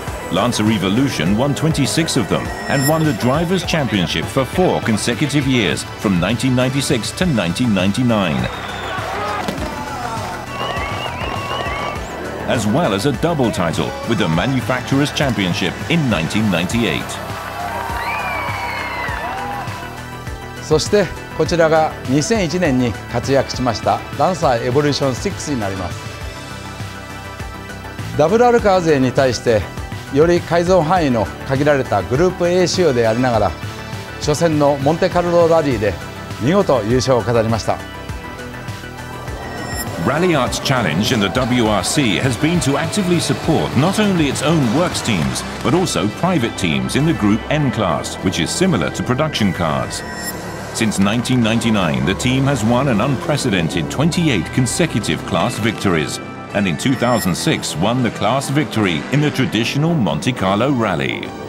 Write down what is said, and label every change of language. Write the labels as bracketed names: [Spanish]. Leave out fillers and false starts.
[English] Lancer Evolution won 26 of them and won the Drivers' Championship for 4 consecutive years from 1996 to 1999. As well as a double title with the Manufacturers' Championship in 1998. [Japanese] そしてこちらが2001年に活躍しましたランサーエボリューション6になります。ダブルアルカー勢に対してより改造範囲の限られたグループ A 仕様でありながら初戦のモンテカルロラリーで見事優勝を飾りました。 [English] RallyArt's challenge in the WRC has been to actively support not only its own works teams, but also private teams in the Group N class, which is similar to production cars. Since 1999, the team has won an unprecedented 28 consecutive class victories, and in 2006 won the class victory in the traditional Monte Carlo Rally.